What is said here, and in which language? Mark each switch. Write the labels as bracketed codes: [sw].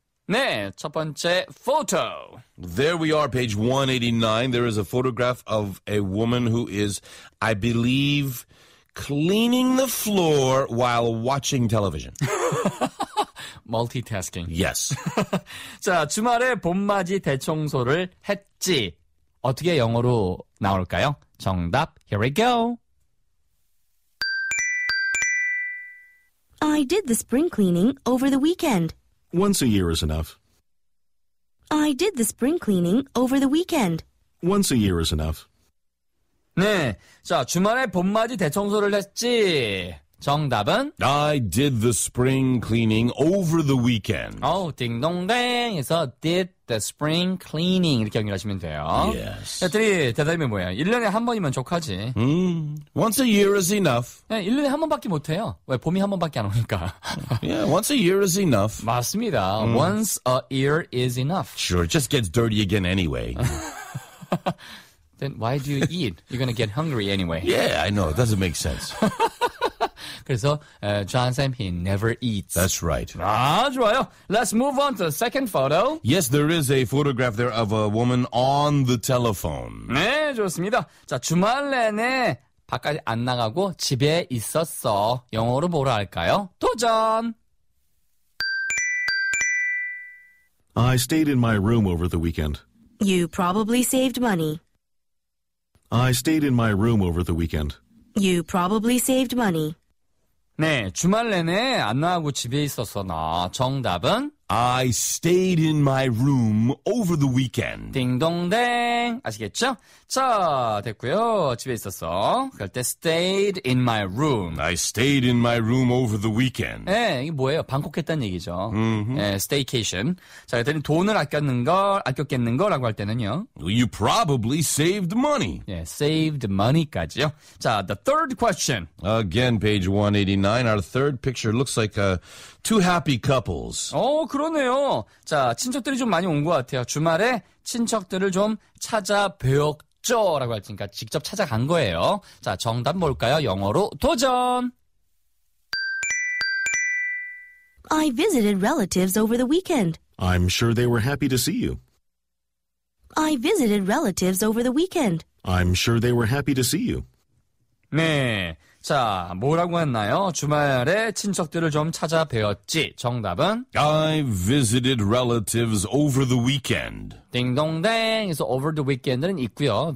[ko] 네, 첫 번째 photo. [en] There we are, page 189. There is a photograph of a woman who is, I believe... cleaning the floor while watching television. Multitasking. Yes. [ko] 자, 주말에 봄맞이 대청소를 했지. 어떻게 영어로 나올까요? 정답. [en] Here we go. I did the spring cleaning over the weekend. Once a year is enough. I did the spring cleaning over the weekend. Once a year is enough. [ko] 네, 자, 주말에 봄맞이 대청소를 했지. 정답은? [en] I did the spring cleaning over the weekend. [ko] 오, 딩동댕 해서 [en] did the spring cleaning [ko] 이렇게 연결하시면 돼요. [en] Yes. [ko] 애들이 대답이 뭐예요? 1년에 한 번이면 족하지. [en] Once a year is enough. [ko] 네, 1년에 한 번밖에 못해요. 왜 봄이 한 번밖에 안 오니까. [en] Yeah, once a year is enough. [ko] 맞습니다. [en] Once a year is enough. Sure, it just gets dirty again anyway. Then why do you eat? You're going to get hungry anyway. Yeah, I know. It doesn't make sense. 그래서 John Sam, he never eats. That's right. [ko] 아, 좋아요. [en] Let's move on to the second photo. Yes, there is a photograph there of a woman on the telephone. [ko] 네, 좋습니다. 자, 주말 내내 바깥에 안 나가고 집에 있었어. 영어로 뭐라 할까요? 도전! [en] I stayed in my room over the weekend. You probably saved money. I stayed in my room over the weekend. You probably saved money. [ko] 네, 주말 내내 안 나가고 집에 있었어. 나 정답은 [en] I stayed in my room over the weekend. [ko] 딩동댕. 아시겠죠? 자, 됐고요. 집에 있었어. 그럴 때 [en] stayed in my room. I stayed in my room over the weekend. [ko] 예, 네, 이게 뭐예요? 방콕했다는 얘기죠. 네, [en] staycation. [ko] 자, 그랬더니 돈을 아꼈겠는가라고 할 때는요. [en] You probably saved money. [ko] 예, 네, [en] saved money [ko] 까지요. [en] 자, the third question. Again, page 189. Our third picture looks like a two happy couples. [ko] 어, 그러네요. 자, 친척들이 좀 많이 온 것 같아요. 주말에 친척들을 좀 찾아뵙죠. 라고 할 테니까 직접 찾아간 거예요. 자, 정답 뭘까요? 영어로 도전! [en] I visited relatives over the weekend. I'm sure they were happy to see you. I visited relatives over the weekend. I'm sure they were happy to see you. [ko] 네. 자, 뭐라고 했나요? 주말에 친척들을 좀 찾아뵈었지. 정답은? [en] I visited relatives over the weekend. [ko] 딩동댕. [en] So over the weekend은 있고요.